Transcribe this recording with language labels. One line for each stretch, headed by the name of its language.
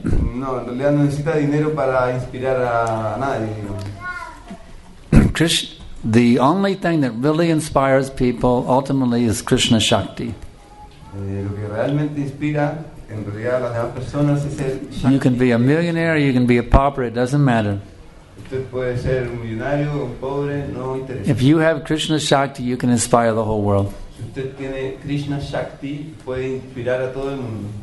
Spanish: No, en realidad no necesita dinero para inspirar a nadie.
English: The only thing that really inspires people ultimately is Krishna Shakti.
Spanish: Lo que realmente inspira en realidad a las demás personas es el Shakti.
English: You can be a millionaire, you can be a pauper, it doesn't matter.
Spanish: Usted puede ser un millonario o un pobre, no interesa.
English: If you have Krishna Shakti, you can inspire the whole world.
Spanish: Si usted tiene Krishna Shakti, puede inspirar a todo el mundo.